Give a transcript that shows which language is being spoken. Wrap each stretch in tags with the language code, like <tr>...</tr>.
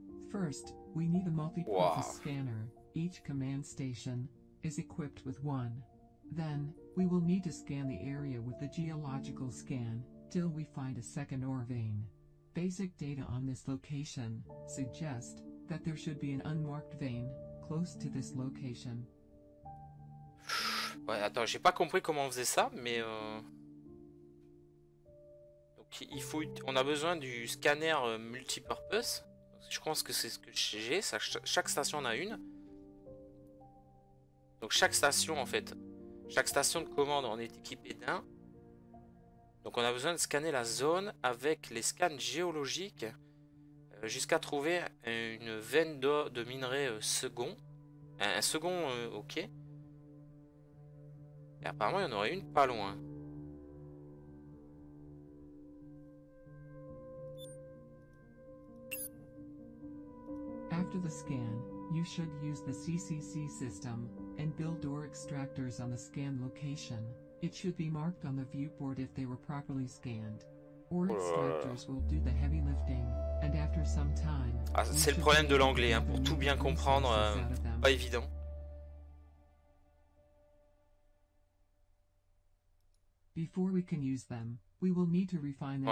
<en>First, we need a multi-purpose wow. scanner. Each command station is equipped with one. Then, we will need to scan the area with the geological scan till we find a second ore vein. Basic data on this location suggest that there should be an unmarked vein close to this location.</en> <fr>Ouais, attends, j'ai pas compris comment on faisait ça, mais donc il faut, on a besoin du scanner multipurpose. Je pense que c'est ce que j'ai. Chaque station en a une. Donc chaque station, en fait, chaque station de commande en est équipée d'un. Donc on a besoin de scanner la zone avec les scans géologiques jusqu'à trouver une veine d'or de minerai second. Un second, ok. Et apparemment, il y en aurait une pas loin.</fr> <en>After the scan, you should use the CCC system and build ore extractors on the scan location. It should be marked on the viewport if they were properly scanned. Ore extractors will do the heavy lifting, and after some time,</en> <fr>ah, c'est le problème de l'anglais, hein, pour tout bien comprendre, pas évident.</fr> <en>Before we can use them, we will need to refine them.</en>